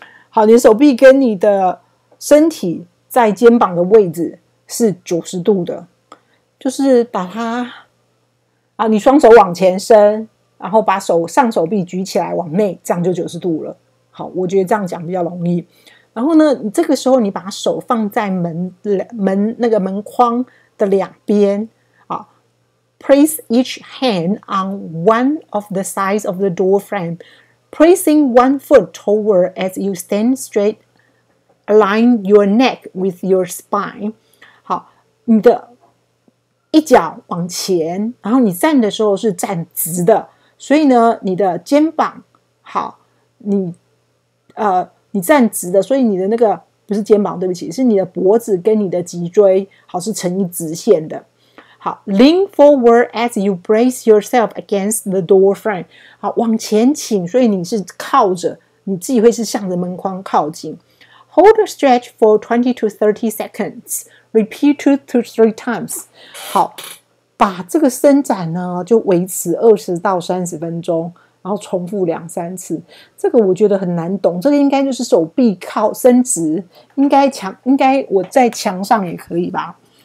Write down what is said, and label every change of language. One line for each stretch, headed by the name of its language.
Chinese: 好，你的手臂跟你的身体在肩膀的位置是90度的，就是把它你双手往前伸，然后把手上手臂举起来往内，这样就90度了。好，我觉得这样讲比较容易。然后呢，这个时候你把手放在门那个门框的两边。
English: Place each hand on one of the sides of the door frame, placing one foot toward as you stand straight, align your neck with your spine.
Chinese: 好，你的一脚往前，然后你站的时候是站直的，所以呢，你的肩膀好，你站直的，所以你的那个不是肩膀，对不起，是你的脖子跟你的脊椎好是成一直线的。
English: 好， lean forward as you brace yourself against the door frame. 好，
Chinese: 往前倾，所以你是靠着你自己会是向着门框靠近。
English: Hold a stretch for 20 to 30 seconds. Repeat 2 to 3 times.
Chinese: 好，把这个伸展呢就维持20到30分钟，然后重复两三次。这个我觉得很难懂，这个应该就是手臂靠伸直，应该我在墙上也可以吧。